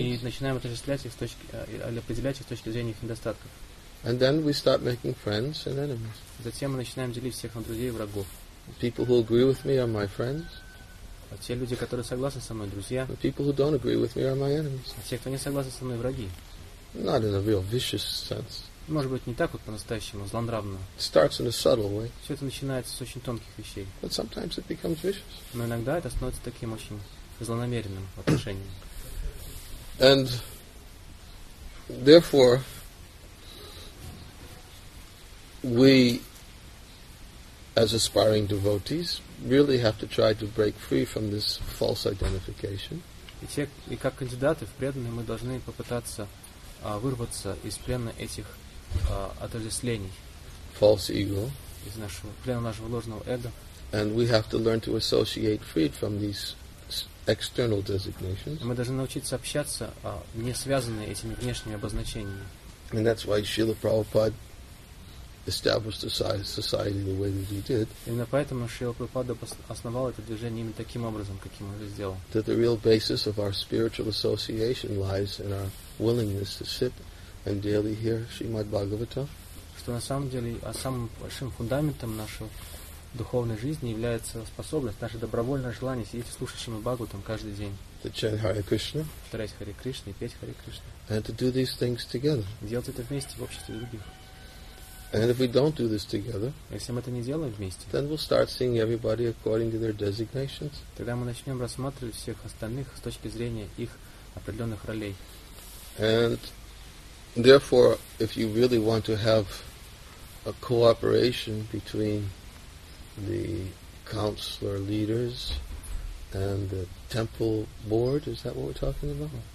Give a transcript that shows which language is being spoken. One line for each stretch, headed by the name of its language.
Russian: И начинаем отождествлять их определять их с точки зрения их недостатков.
English: And then we start making friends and enemies.
Russian: Затем мы начинаем делить всех на друзей и врагов.
English: People who agree with me are my friends.
Russian: Те люди, которые согласны со мной, друзья.
English: The people who don't agree with me are my enemies.
Russian: А те, кто не согласны со мной, враги.
English: Not in a real vicious sense.
Russian: Может быть, не так вот по-настоящему, злонравно.
English: It starts in a subtle way.
Russian: Все это начинается с очень тонких вещей.
English: But sometimes it becomes vicious.
Russian: Но иногда это становится таким очень злонамеренным отношением.
English: And therefore we as aspiring devotees really have to try to break free from this false identification.
Russian: И как кандидаты в преданные мы должны попытаться вырваться из плена этих отождествлений.
English: False ego.
Russian: из нашего плена нашего ложного эго.
English: And we have to learn to associate freed from these external designations.
Russian: Мы должны научиться общаться не связанные этими внешними обозначениями.
English: And that's why Srila Prabhupada established the society the way that he did.
Russian: Именно поэтому Шрила Прабхупада основал это движение именно таким образом, каким он это сделал.
English: That the real basis of our spiritual association lies in our willingness to sit and daily hear Srimad Bhagavatam.
Russian: Что на самом деле самым большим фундаментом нашего духовной жизни является способность, наше добровольное желание сидеть и слушать Шримад Бхагаватам каждый день.
English: To chant Hare Krishna.
Russian: Повторять Харе Кришну и петь Харе Кришну.
English: And to do these things together.
Russian: Делать это вместе в обществе других.
English: And if we don't do this together,
Russian: если мы это не делаем вместе,
English: then we'll start seeing everybody according to their designations.
Russian: Тогда мы начнем рассматривать всех остальных с точки зрения их определенных ролей.
English: And therefore, if you really want to have a cooperation between the counselor leaders and the temple board, is that what we're talking about?